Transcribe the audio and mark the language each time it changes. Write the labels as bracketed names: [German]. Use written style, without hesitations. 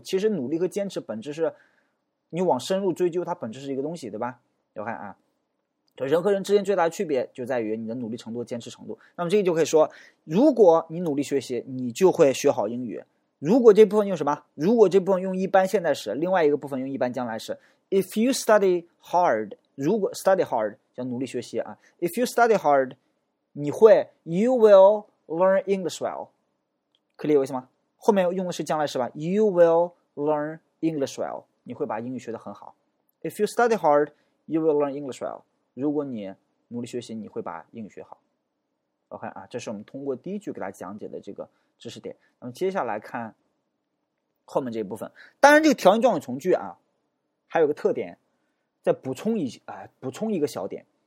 [Chinese] 其实努力和坚持本质是，你往深入追究，它本质是一个东西，对吧？要看啊，就人和人之间最大的区别就在于你的努力程度、坚持程度。那么这里就可以说，如果你努力学习，你就会学好英语。如果这部分用什么？如果这部分用一般现在时，另外一个部分用一般将来时。 If you study hard，如果 study hard 叫努力学习啊。 If you study hard，你会 ， you will learn English well，可理解为什么？后面用的是将来时吧 ？ You will learn English well，你会把英语学得很好。 [English] If you study hard， you will learn English well。 [Chinese] 如果你努力学习，你会把英语学好。OK 啊，这是我们通过第一句给大家讲解的这个知识点。那么接下来看后面这一部分。当然，这个条件状语从句啊，还有个特点，再补充一啊、补充一个小点。